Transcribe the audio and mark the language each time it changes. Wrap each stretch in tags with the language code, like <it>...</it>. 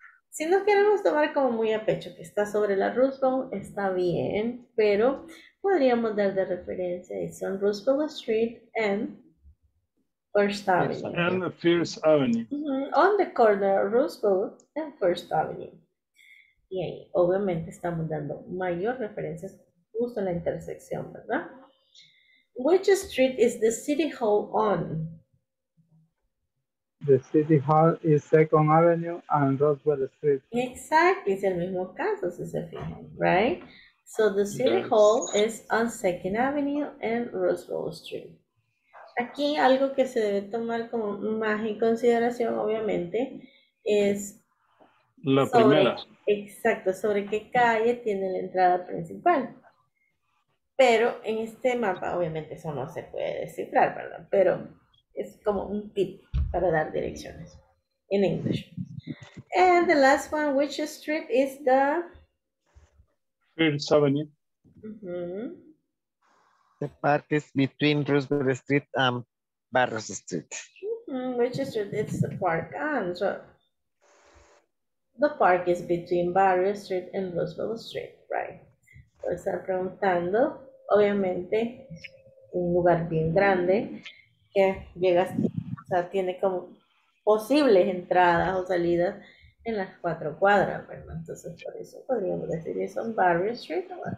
<es>Si nos queremos tomar como muy a pecho que está sobre la Roosevelt, está bien, pero podríamos dar de referencia, es</es> <en>on Roosevelt Street and First Avenue. And the First Avenue. Mm-hmm. On the corner of Roosevelt and First Avenue.</en> <es>Y ahí, obviamente, estamos dando mayor referencia justo en la intersección, ¿verdad?</es> <en>Which street is the City Hall on? The City Hall is Second Avenue and Roosevelt Street.</en> <es>Exactly, es el mismo caso, si se fijan, right?</es> <en>So the City Hall is on Second Avenue and Roosevelt Street.</en> <es>Aquí algo que se debe tomar como más en consideración, obviamente, es la primera. Exacto, sobre qué calle tiene la entrada principal. Pero en este mapa, obviamente, eso no se puede descifrar, ¿verdad? Pero es como un tip para dar direcciones en inglés.</es> <en>And the last one, which street is the First Avenue. Mm-hmm. The park is between Roosevelt Street and Barros Street. Mm-hmm. Which street is the park on? So the park is between Barrios Street and Roosevelt Street, right? So</en> <es>puede estar preguntando, obviamente, un lugar bien grande que llega, o sea, tiene como posibles entradas o salidas en las cuatro cuadras, ¿verdad? Entonces, por eso podríamos decir eso en Barrio Street, ¿no?</es>